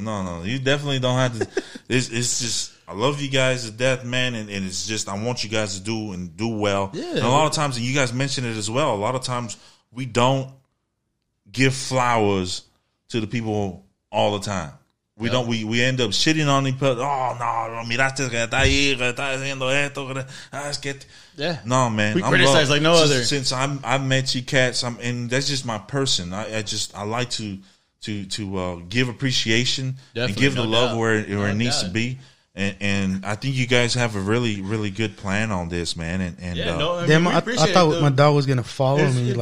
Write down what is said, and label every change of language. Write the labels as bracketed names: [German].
[English] No, you definitely don't have to. It's just I love you guys to death, man, and it's just I want you guys to do well. Yeah. And a lot of times, and you guys mentioned it as well, a lot of times we don't give flowers to the people all the time. We don't. We end up shitting on each other. Oh no! [Spanish] Miraste que está ahí, que está haciendo esto. Es que no, [English] man. We criticize like no other. Since I've met you cats, and that's just my person. I like to give appreciation. Definitely, and give the love where it needs to be. And I think you guys have a really, really good plan on this, man. I thought my dog was gonna follow me.